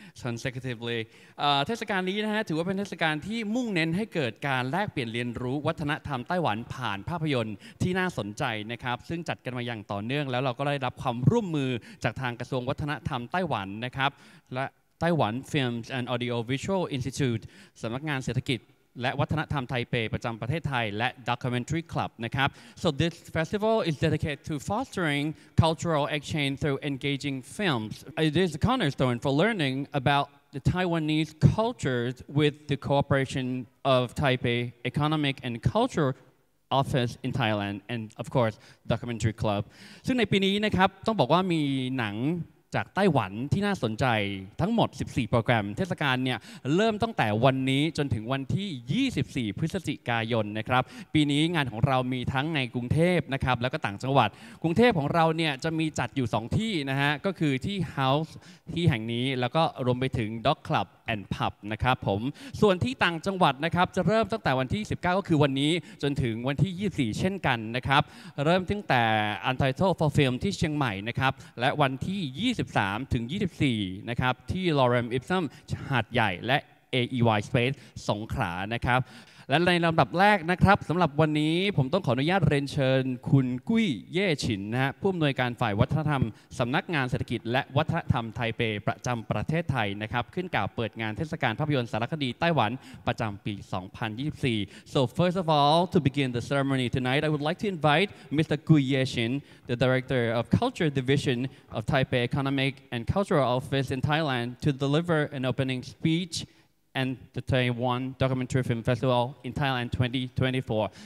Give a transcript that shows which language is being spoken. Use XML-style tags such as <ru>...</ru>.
<th>Consecutively เทศกาลนี้นะฮะถือว่าเป็นเทศกาลที่มุ่งเน้นให้เกิดการแลกเปลี่ยนเรียนรู้วัฒนธรรมไต้หวันผ่านภาพยนตร์ที่น่าสนใจนะครับซึ่งจัดกันมาอย่างต่อเนื่องแล้วเราก็ได้รับความร่วมมือจากทางกระทรวงวัฒนธรรมไต้หวันนะครับและไต้หวัน Films and Audio Visual Institute สำนักงานเศรษฐกิจและวัฒนธรรมไทเปประจำประเทศไทยและ Documentary Club นะครับ</th> <en>So this festival is dedicated to fostering cultural exchange through engaging films. It is a cornerstone for learning about the Taiwanese cultures with the cooperation of Taipei Economic and Cultural Office in Thailand and of course Documentary Club.</en> <th>ซึ่งในปีนี้นะครับต้องบอกว่ามีหนังจากไต้หวันที่น่าสนใจทั้งหมด14โปรแกรมเทศกาลเนี่ยเริ่มตั้งแต่วันนี้จนถึงวันที่24พฤศจิกายนนะครับปีนี้งานของเรามีทั้งในกรุงเทพนะครับแล้วก็ต่างจังหวัดกรุงเทพของเราเนี่ยจะมีจัดอยู่2ที่นะฮะก็คือที่ House ที่แห่งนี้แล้วก็รวมไปถึง Dog Club and Pub นะครับผมส่วนที่ต่างจังหวัดนะครับจะเริ่มตั้งแต่วันที่19ก็คือวันนี้จนถึงวันที่24เช่นกันนะครับเริ่มตั้งแต่ Untitled for Film ที่เชียงใหม่นะครับและวันที่23 ถึง24นะครับที่ Lorem Ipsum หาดใหญ่และ AEY Space สงขลานะครับและในลำดับแรกนะครับสำหรับวันนี้ผมต้องขออนุญาตเรียนเชิญคุณกุ้ยเย่ฉินนะฮะผู้อำนวยการฝ่ายวัฒนธรรมสำนักงานเศรษฐกิจและวัฒนธรรมไทเปประจำประเทศไทยนะครับขึ้นกล่าวเปิดงานเทศกาลภาพยนตร์สารคดีไต้หวันประจำปี2024</th> <en>So first of all to begin the ceremony tonight I would like to invite Mr. Gui Yeshin the director of culture division of Taipei Economic and Cultural Office in Thailand to deliver an opening speechand the Taiwan Documentary Film Festival in Thailand 2024.</en>